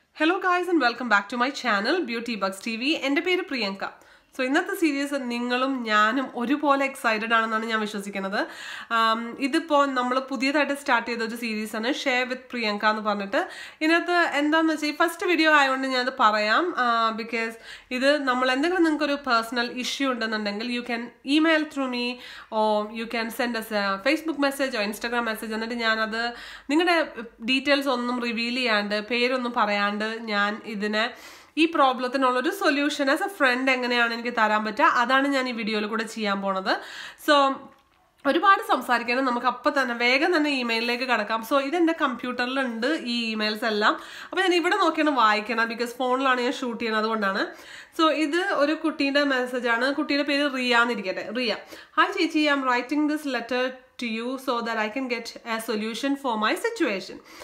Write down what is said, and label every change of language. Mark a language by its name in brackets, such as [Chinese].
[English] Hello guys and welcome back to my channel Beauty Bugs TV. [Malayalam] എൻ്റെ പേര് Priyanka. So ഇന്നത്തെ series നിങ്ങളും ഞാനും ഒരുപോലെ എക്സൈറ്റഡ് ആണെന്നാണ് ഞാൻ വിശ്വസിക്കുന്നത്. ഇതിപ്പോൾ നമ്മൾ പുതിയതായിട്ട് സ്റ്റാർട്ട് ചെയ്ത ഒരു സീരീസാണ് ഷെയർ വിത്ത് പ്രിയങ്ക എന്ന് പറഞ്ഞിട്ട്. ഇതിനകത്ത് എന്താണെന്ന് വെച്ചാൽ ഈ ഫസ്റ്റ് വീഡിയോ ആയതുകൊണ്ട് ഞാനത് പറയാം, ബിക്കോസ് ഇത് നമ്മൾ എന്തെങ്കിലും നിങ്ങൾക്കൊരു പേഴ്സണൽ ഇഷ്യൂ ഉണ്ടെന്നുണ്ടെങ്കിൽ [English] You can email through me or you can send us Facebook message or Instagram message. [Malayalam] എന്നിട്ട് ഞാനത് നിങ്ങളുടെ ഡീറ്റെയിൽസ് ഒന്നും റിവീൽ ചെയ്യാണ്ട് പേരൊന്നും പറയാണ്ട് ഞാൻ ഇതിനെ ഈ പ്രോബ്ലത്തിനുള്ളൊരു സൊല്യൂഷൻ [English] as a friend [Malayalam] എങ്ങനെയാണ് എനിക്ക് തരാൻ പറ്റുക, അതാണ് ഞാൻ ഈ വീഡിയോയിൽ കൂടെ ചെയ്യാൻ പോണത്. സോ ഒരുപാട് സംസാരിക്കണം, നമുക്ക് അപ്പം തന്നെ വേഗം തന്നെ ഇമെയിലിലേക്ക് കടക്കാം. സോ ഇതെൻ്റെ കമ്പ്യൂട്ടറിലുണ്ട് ഈ ഇമെയിൽസ് എല്ലാം. അപ്പോൾ ഞാൻ ഇവിടെ നോക്കിയാണ് വായിക്കണം, ബിക്കോസ് ഫോണിലാണ് ഞാൻ ഷൂട്ട് ചെയ്യുന്നത് കൊണ്ടാണ്. സോ ഇത് ഒരു കുട്ടീൻ്റെ മെസ്സേജാണ്, കുട്ടീൻ്റെ പേര് റിയ എന്നിരിക്കട്ടെ. [English] Riya, [Malayalam] ഹായ് ചേച്ചി, [English] I am writing this letter to you so that I can get a solution for my situation.